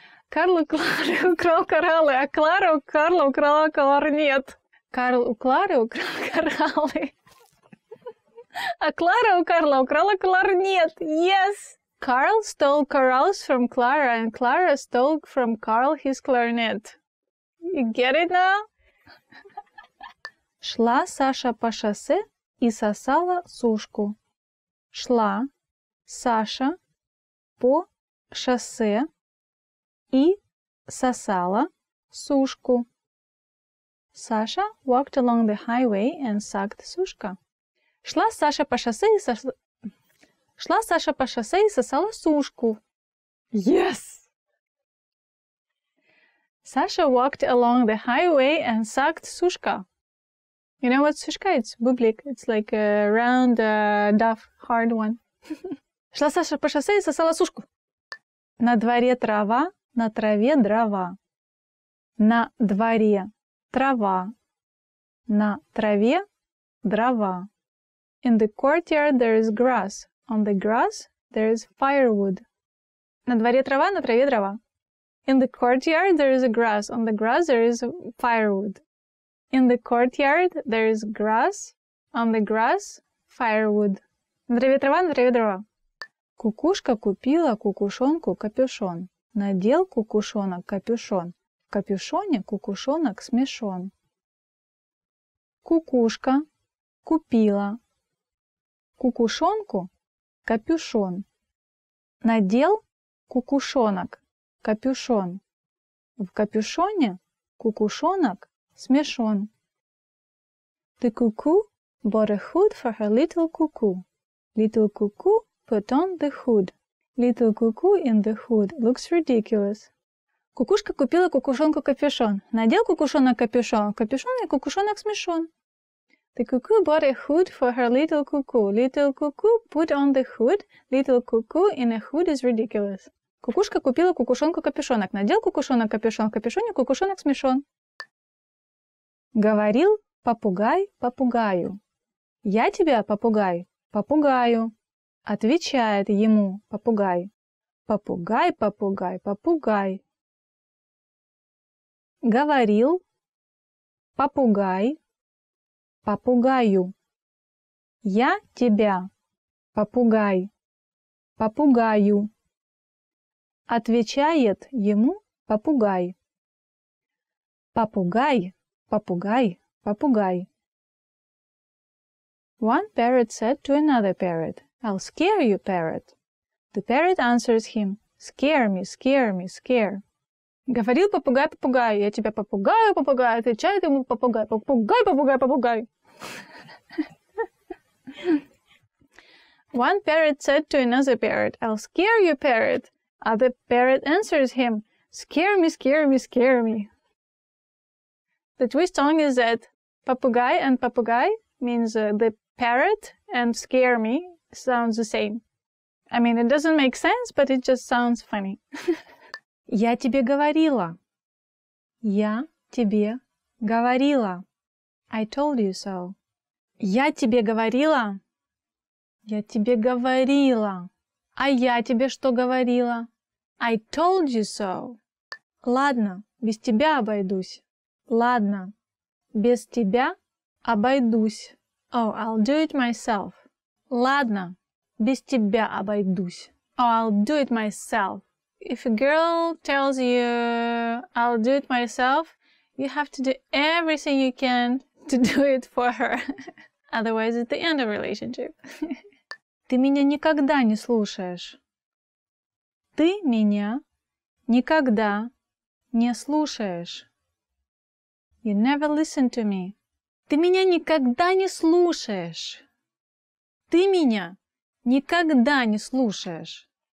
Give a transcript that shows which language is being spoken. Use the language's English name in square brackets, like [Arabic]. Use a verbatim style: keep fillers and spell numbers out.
[Russian] Карл у Клары украл кораллы, а Клара у Карла украла кларнет. Карл у Клары украл кораллы, а Клара у Карла украла кларнет. [English] Yes! Carl stole corals from Clara, and Clara stole from Carl his clarinet. You get it now? [Russian] Шла Саша по шоссе и сосала сушку. Шла Саша по шоссе и сосала сушку. [English] Саша walked along the highway and sucked сушка. [Russian] Шла Саша по шоссе и сосала... Шла Саша по шоссе и сосала сушку. [English] Yes! Саша walked along the highway and sucked сушка. You know what сушка? It's бублик. It's like a round, uh, duff, hard one. [Russian] Шла Саша по шоссе и сосала сушку. На дворе трава, на траве дрова. На дворе трава, на траве дрова. [English] In the courtyard there is grass. On the grass there is firewood. На дворе трава, на траве дрова. In the courtyard there is a grass. On the grass there is firewood. In the courtyard there is grass. On the grass firewood. [Russian] На траве трава, на траве дрова. Кукушка купила кукушонку капюшон. Надел кукушонок капюшон. В капюшоне кукушонок смешон. Кукушка купила кукушонку – капюшон. Надел кукушонок – капюшон. В капюшоне кукушонок смешон. [English] The cuckoo bought a hood for her little cuckoo. Little cuckoo put on the hood. Little cuckoo in the hood looks ridiculous. [Russian] Кукушка купила кукушонку капюшон. Надел кукушонок капюшон. Капюшон и кукушонок смешон. [English] The cuckoo bought a hood for her little cuckoo. Little cuckoo put on the hood. Little cuckoo in a hood is ridiculous. [Russian] Кукушка купила кукушонку капюшонок. Надел кукушонок капюшон. Капюшон и кукушонок смешон. Говорил попугай попугаю. Я тебя, попугай, попугаю. Отвечает ему попугай. Попугай, попугай, попугай. Говорил попугай попугаю. Я тебя, попугай, попугаю. Отвечает ему попугай. Попугай, попугай, попугай. [English] One parrot said to another parrot, I'll scare you, parrot. The parrot answers him, scare me, scare me, scare. [Russian] Говорил попугай попугаю, я тебя попугаю, попугаю, отвечает ему попугай, попугай, попугай, попугай. [English] One parrot said to another parrot, I'll scare you, parrot. Other parrot answers him, scare me, scare me, scare me. The twist song is that papugay and papugay means uh, the parrot and scare me sounds the same. I mean, it doesn't make sense, but it just sounds funny. [Russian] Я тебе говорила. Я тебе говорила. [English] I told you so. [Russian] Я тебе говорила. Я тебе говорила. А я тебе что говорила? [English] I told you so. [Russian] Ладно, без тебя обойдусь. Ладно, без тебя обойдусь. [English] Oh, I'll do it myself. [Russian] Ладно, без тебя обойдусь. [English] Oh, I'll do it myself. If a girl tells you, I'll do it myself, you have to do everything you can to do it for her. Otherwise, it's the end of relationship. [Russian] Ты меня никогда не слушаешь. Ты меня никогда не слушаешь. [English] You never listen to me. [Russian] Ты меня никогда не слушаешь. Ты меня никогда не слушаешь.